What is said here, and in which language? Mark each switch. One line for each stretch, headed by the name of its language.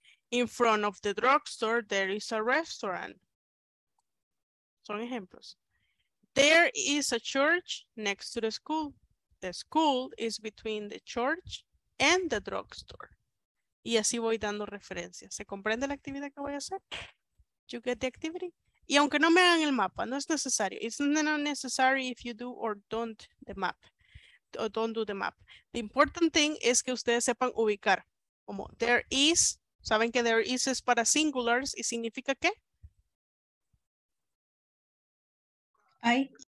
English: In front of the drugstore, there is a restaurant.
Spanish: Son ejemplos.
English: There is a church next to the school. The school is between the church and the drugstore.
Spanish: Y así voy dando referencias. ¿Se comprende la actividad que voy a hacer?
English: You get the activity.
Spanish: Y aunque no me hagan el mapa, no es necesario.
English: It's not necessary if you do or don't the map. Or don't do the map. The important thing is
Spanish: que ustedes sepan ubicar. Como there is. ¿Saben que there is es para singulars? ¿Y significa qué? Hay.